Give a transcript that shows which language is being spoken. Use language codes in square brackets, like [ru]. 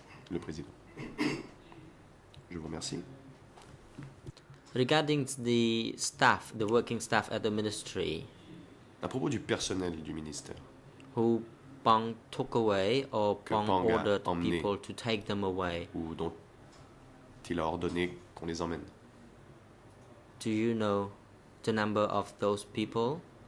[fr] Le président. Je vous remercie. [en] Regarding the staff, the working staff at the ministry. [fr] À propos du personnel du ministère. [en] Who Peng took away or Peng ordered people to take them away. [fr] Ou dont il a ordonné qu'on les emmène. [en] Do you know the number of those people?